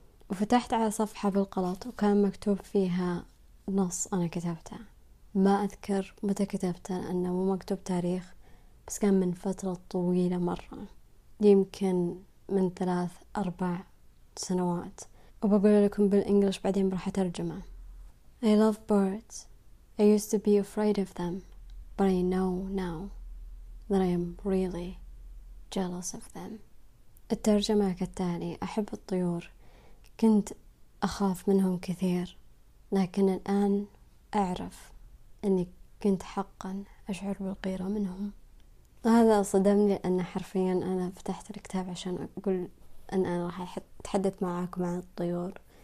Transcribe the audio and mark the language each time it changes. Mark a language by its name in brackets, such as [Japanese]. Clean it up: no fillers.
[Arabic] وفتحت على صفحة بالغلط وكان مكتوب فيها نص أنا كتبته، ما أذكر متى كتبته لأنه مو مكتوب تاريخ، بس كان من فترة طويلة مرة، يمكن من 3-4 سنوات. وبقول لكم بالإنجليش بعدين بروح أترجمه. [English] I love birds. I used to be afraid of them, but I know now that I am really jealous of them. [Arabic] الترجمة كالتالي: أحب الطيور، كنت أخاف منهم كثير، لكن الآن أعرف أني كنت حقا أشعر بالغيرة منهم. هذا صدمني، أن حرفيا أنا فتحت الكتاب عشان أقول أن أنا راح أتحدث معاكم عن الطيور.